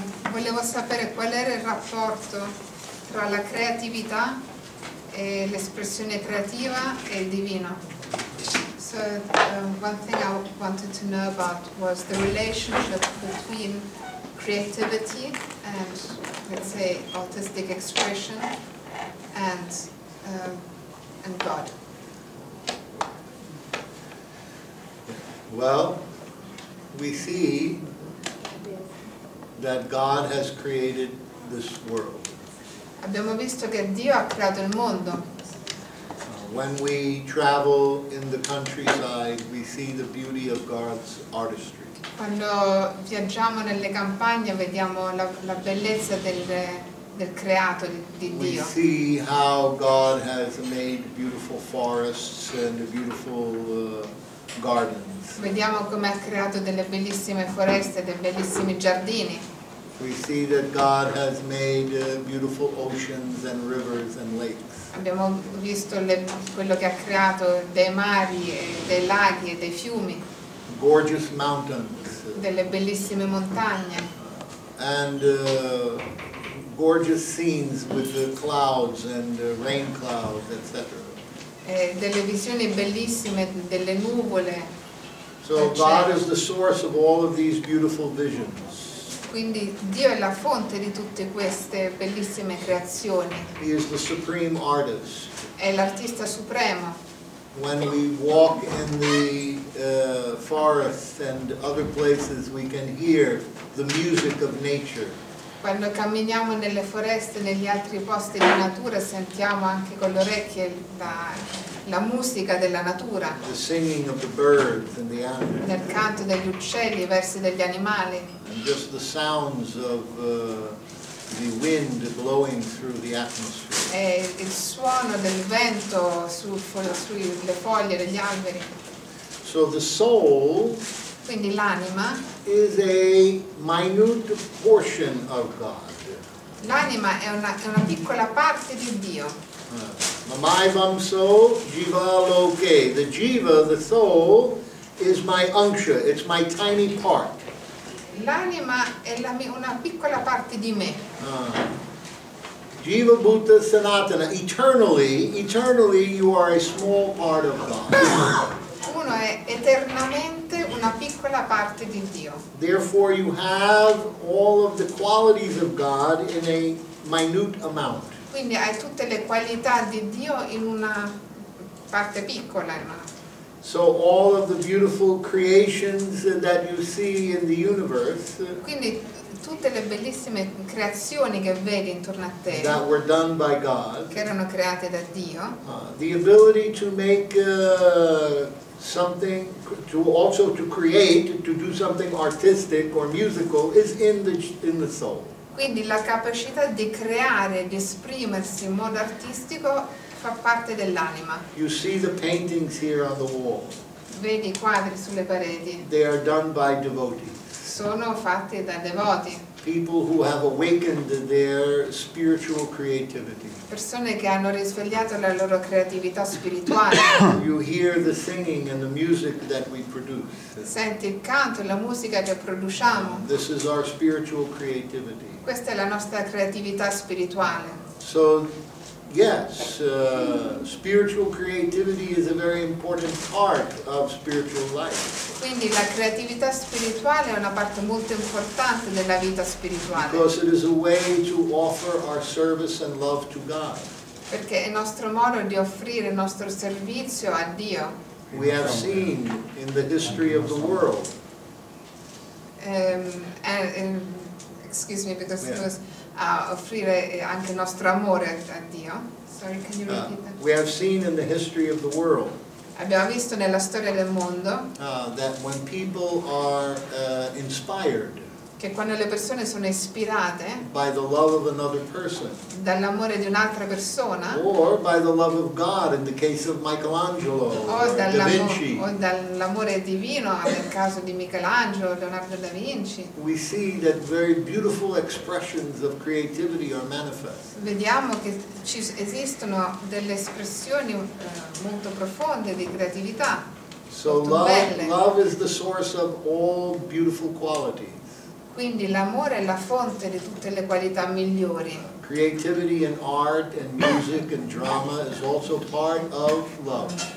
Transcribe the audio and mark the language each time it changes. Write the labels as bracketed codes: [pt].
[it] Volevo sapere qual era il rapporto tra la creatività e l'espressione creativa e il divino. [en] So, one thing I wanted to know about was the relationship between creativity and, let's say, artistic expression and God. Well, we see that God has created this world. [it] Abbiamo visto che Dio ha creato il mondo. [en] When we travel in the countryside, we see the beauty of God's artistry. [it] Quando viaggiamo nelle campagne, vediamo la bellezza del creato di Dio. [en] We see how God has made beautiful forests and beautiful gardens. [it] Vediamo come ha creato delle bellissime foreste, dei bellissimi giardini. [en] We see that God has made beautiful oceans and rivers and lakes. [it] Abbiamo visto quello che ha creato dei mari, dei laghi e dei fiumi. [en] Gorgeous mountains. [it] Delle bellissime montagne. [en] And gorgeous scenes with the clouds and rain clouds, etc. [it] Delle visioni bellissime delle nuvole. [en] So God is the source of all of these beautiful visions. [it] Quindi Dio è la fonte di tutte queste bellissime creazioni. [en] He is the supreme artist. [it] È l'artista supremo. [en] When we walk in the forests and other places, we can hear the music of nature. [it] Quando camminiamo nelle foreste e negli altri posti di natura, sentiamo anche con le orecchie la musica della natura. [en] The singing of the birds and the animals. [it] Nel canto degli uccelli, I versi degli animali. [en] And just the sounds of the wind blowing through the atmosphere. [it] E il suono del vento sulle foglie degli alberi. [en] So the soul. [it] Quindi l'anima [en] is a minute portion of God. [it] L'anima è una piccola parte di Dio. [sa] Mamai vamso jiva loke. [en] The jiva, the soul, is my unksha. It's my tiny part. [it] L'anima è una piccola parte di me. [sa] Jiva Bhuta Sanatana. [en] Eternally, you are a small part of God. [it] Uno è eternamente una piccola parte di Dio. [en] Therefore, you have all of the qualities of God in a minute amount. [it] Quindi hai tutte le qualità di Dio in una parte piccola. [en] So all of the beautiful creations that you see in the universe. [it] Quindi tutte le bellissime creazioni che vedi intorno a te. [en] That were done by God. [it] Che erano create da Dio. [en] The ability to make something, to also to create, to do something artistic or musical is in the soul. [it] Quindi la capacità di creare, di esprimersi in modo artistico fa parte dell'anima. [en] You see the paintings here on the wall. [it] Vedi I quadri sulle pareti. [en] They are done by devotees. [it] Sono fatti da devoti. [en] People who have awakened their spiritual creativity. [it] Persone che hanno risvegliato la loro creatività spirituale. [en] You hear the singing and the music that we produce. [it] Senti il canto e la musica che produciamo. [en] This is our spiritual creativity. [it] Questa è la nostra creatività spirituale. [en] So, yes, spiritual creativity is a very important part of spiritual life. [it] Quindi la creatività spirituale è una parte molto importante della vita spirituale. [en] Because it is a way to offer our service and love to God. [it] Perché è nostro modo di offrire il nostro servizio a Dio. [en] We have seen in the history of the world. Excuse me, because it was [it] offrire anche il nostro amore a Dio. [en] Sorry, can you repeat that? We have seen in the history of the world. [it] Abbiamo visto nella storia del mondo [en] that when people are inspired, [it] che quando le persone sono ispirate [en] by the love of another person, [it] dall'amore di un'altra persona, [en] or by the love of God in the case of Michelangelo [it] or Da Vinci, o dall'amore divino nel caso di Michelangelo, Leonardo da Vinci, [en] we see that very beautiful expressions of creativity are manifest. [it] Vediamo che ci esistono delle espressioni molto profonde di creatività. [en] So love is the source of all beautiful qualities. [it] Quindi l'amore è la fonte di tutte le qualità migliori. [en] Creativity and art and music and drama is also part of love.